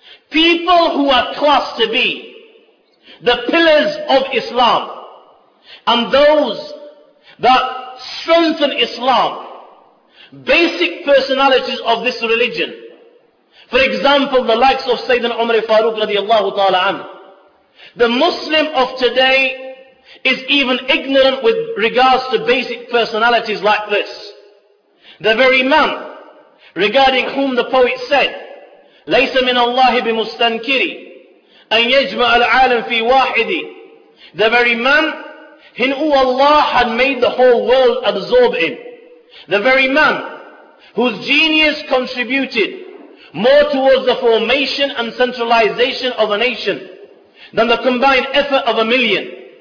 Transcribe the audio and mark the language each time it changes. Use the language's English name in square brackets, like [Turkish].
[English] people who are classed to be the pillars of Islam and those that strengthen Islam, basic personalities of this religion, for example, the likes of Sayyidina Umar Farooq radiallahu ta'ala anhu. The Muslim of today is even ignorant with regards to basic personalities like this. The very man regarding whom the poet said, [Arabic] لَيْسَ مِنَ اللَّهِ بِمُسْتَنْكِرِ أَنْ يَجْمَعَ الْعَالَمْ فِي وَاحِدِ. [English] The very man in who Allah had made the whole world absorb in. The very man whose genius contributed more towards the formation and centralization of a nation than the combined effort of a million.